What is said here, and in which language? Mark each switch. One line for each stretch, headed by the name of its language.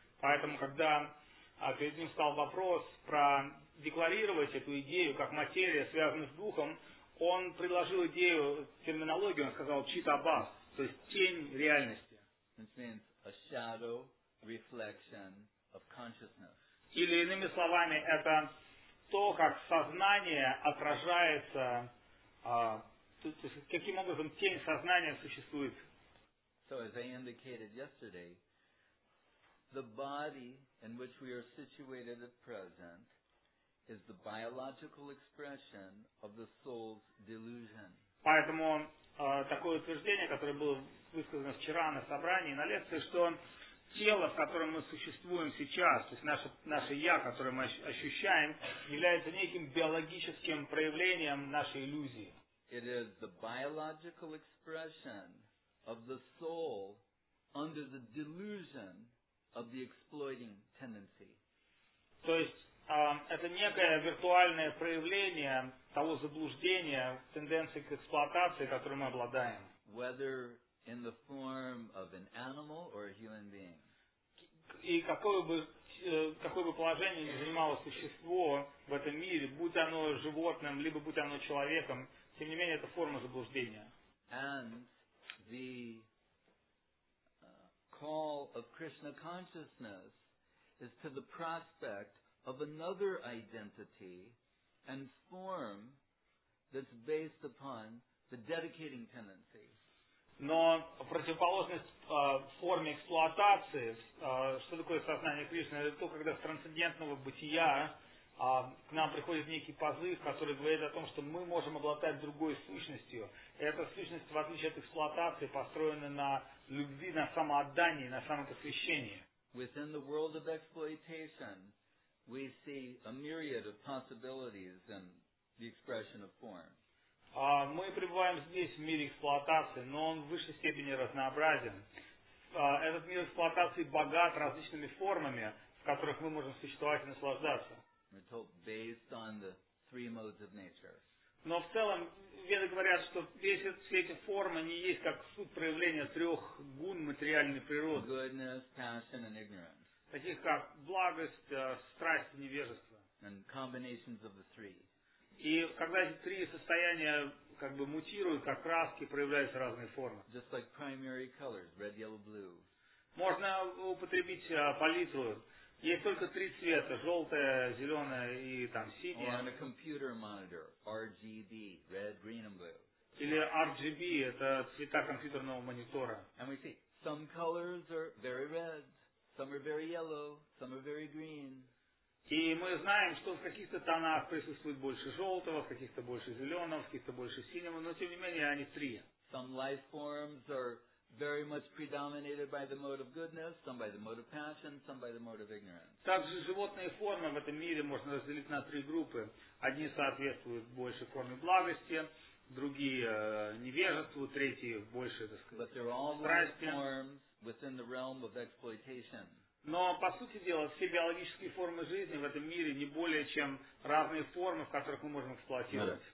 Russian: Поэтому, когда перед ним стал вопрос про декларировать эту идею, как материя, связанная с духом, он предложил идею, терминологию, он сказал «читабас», то есть «тень реальности».
English: Which means a shadow reflection of consciousness.
Russian: Или иными словами, это то, как сознание отражается, то есть каким образом тень сознания существует.
English: So as I indicated yesterday, the body in which we are situated at present is the biological expression of the soul's delusion.
Russian: Поэтому такое утверждение, которое было высказано вчера на собрании, на лекции, что тело, в котором мы существуем сейчас, то есть наше «я», которое мы ощущаем, является неким биологическим проявлением нашей иллюзии.
English: It is the biological expression of the soul under the delusion of the exploiting tendency.
Russian: То есть это некое виртуальное проявление того заблуждения, тенденции к эксплуатации, которую мы обладаем.
English: Whether in the form of an animal or a human being.
Russian: И какое бы положение ни занимало существо в этом мире, будь оно животным, либо будь оно человеком, тем не менее, это форма заблуждения.
English: And the call of Krishna consciousness is to the prospect of another identity and form that's based upon the dedicating tendency.
Russian: Но противоположность форме эксплуатации, что такое сознание Кришны, это то, когда с трансцендентного бытия к нам приходит некий позыв, который говорит о том, что мы можем обладать другой сущностью. И эта сущность, в отличие от эксплуатации, построена на любви, на самоотдании, на самопосвящении.
English: Within the world of exploitation, we see a myriad of possibilities in the expression of form.
Russian: Мы пребываем здесь, в мире эксплуатации, но он в высшей степени разнообразен. Этот мир эксплуатации богат различными формами, в которых мы можем существовать и наслаждаться.
English: We're told based on the three modes of nature.
Russian: Но в целом, веды говорят, что все эти формы не есть как суть проявления трех гун материальной природы.
English: Goodness, passion and ignorance.
Russian: Таких как благость, страсть и невежество.
English: And combinations of the three.
Russian: И когда эти три состояния как бы мутируют, как краски, проявляются разные формы.
English: Just like primary colors, red, yellow, blue.
Russian: Можно употребить палитру. Есть только три цвета: желтое, зеленое и там синее.
English: Or on a computer monitor, RGB, red, green and blue.
Russian: Или RGB – это цвета компьютерного монитора.
English: And we see some colors are very red, some are very yellow, some are very green.
Russian: И мы знаем, что в каких-то тонах присутствует больше желтого, в каких-то больше зеленого, в каких-то больше синего, но тем не менее они три.
English: Some life forms are very much predominated by the mode of goodness, some by the mode of passion, some by the mode of ignorance.
Russian: Также животные формы в этом мире можно разделить на три группы. Одни соответствуют больше форме благости, другие невежеству, третьи больше, так сказать,
English: But they're all
Russian: страсти.
English: Life forms within the realm of exploitation.
Russian: Но, по сути дела, все биологические формы жизни в этом мире не более, чем разные формы, в которых мы можем эксплуатировать.